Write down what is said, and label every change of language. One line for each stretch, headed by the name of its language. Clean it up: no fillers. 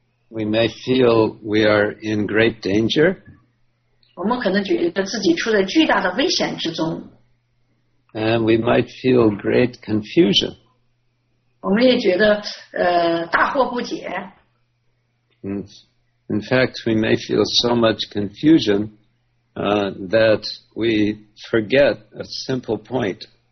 English: We may feel we are in great danger.
Chinese: 我们可能觉得自己处在巨大的危险之中。
English: And we might feel great confusion.
Chinese: 我们也觉得大惑不解。
English: In fact, we may feel so much confusion that we forget a simple point.